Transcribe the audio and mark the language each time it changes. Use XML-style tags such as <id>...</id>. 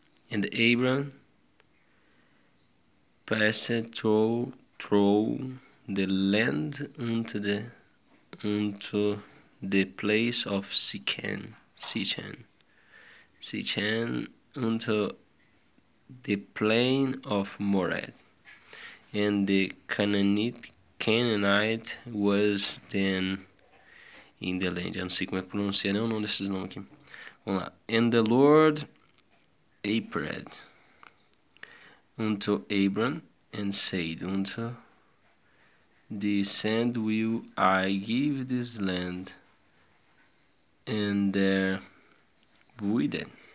<en>And Abram passed through the land unto the place of Shechem, unto the plain of Moreh. And the Canaanite was then in the land.</en> <pt>Eu não sei como é que pronuncia nem o nome desses nomes aqui. Vamos lá.</pt> <en>And the Lord appeared unto Abram and said unto the sand, will I give this land and there builded.</en>